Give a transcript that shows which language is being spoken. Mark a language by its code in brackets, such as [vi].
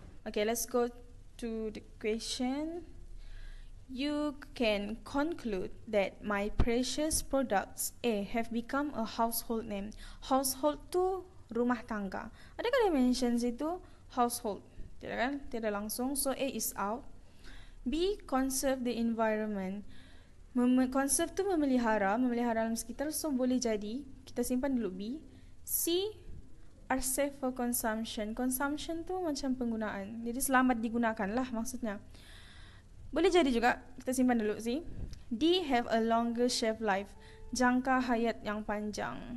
[en] Okay, let's go to the question. You can conclude that my precious products have become a household name. [ms] Household tu rumah tangga. Adakah dia mention situ household? Tidak kan? Tidak langsung. [en] So A is out. B, conserve the environment. [ms] Conserve tu memelihara, memelihara alam sekitar. So boleh jadi kita simpan dulu B. [en] C, are safe for consumption. [ms] Consumption tu macam penggunaan. Jadi selamat digunakan lah maksudnya. Boleh jadi juga, kita simpan dulu sih. [en] D, have a longer shelf life. [ms] Jangka hayat yang panjang.